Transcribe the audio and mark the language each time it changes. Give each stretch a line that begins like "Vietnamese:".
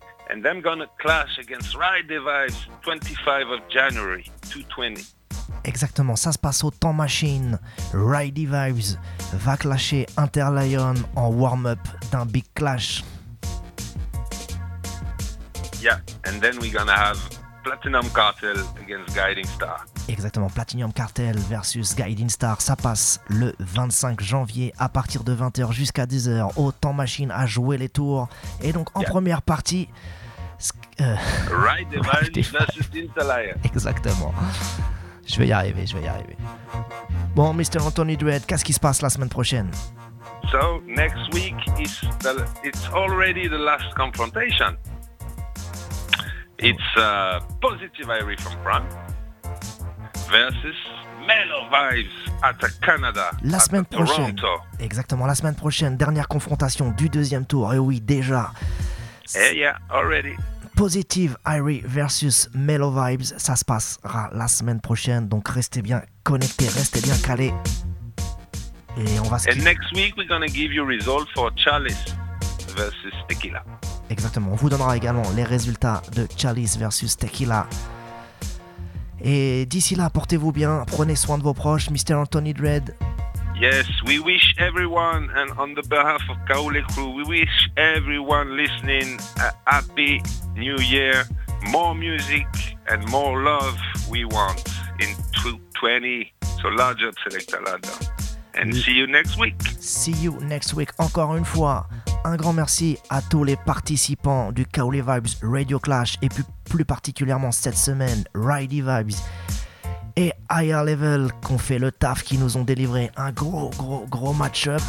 English: And them gonna clash against Ride the Vibes 25 of January 2020.
French: Exactement, ça se passe au Temps Machine. Ridey Vibes va clasher Interlion en warm-up d'un big clash.
English: Yeah, and then we're gonna have Platinum Cartel against Guiding Star.
French: Exactement, Platinum Cartel versus Guiding Star, ça passe le 25 janvier à partir de 20h jusqu'à 10h. Autant Machine a joué les tours. Et donc en première partie, Ride the Ride versus Intalaya. Exactement. Je vais y arriver, je vais y arriver. Bon, Mr. Anthony Dread, qu'est-ce qui se passe la semaine prochaine?
English: So, next week is it's already the last confrontation. It's Positive Irie from France versus Mellow Vibes at Canada.
French: La semaine prochaine. Toronto. Exactement, la semaine prochaine, dernière confrontation du deuxième tour. Et oui, déjà.
English: Already.
French: Positive Irie versus Mellow Vibes, ça se passera la semaine prochaine. Donc restez bien connectés, restez bien calés. Et on va se
English: quitter. And next week we're gonna give you results for Chalice versus Tequila.
French: Exactement, on vous donnera également les résultats de Chalice versus Tequila. Et d'ici là, portez-vous bien, prenez soin de vos proches, Mr. Anthony Dread.
English: Yes, we wish everyone, and on the behalf of Kaole Crew, we wish everyone listening a happy new year, more music and more love we want in 2020. So larger Selecta Lada. And see you next week. See you next week.
French: Encore une fois, un grand merci à tous les participants du Kaole Vibes Radio Clash et plus particulièrement cette semaine, Ridey Vibes. Et Higher Level qui ont fait le taf, qui nous ont délivré un gros, gros, gros match-up.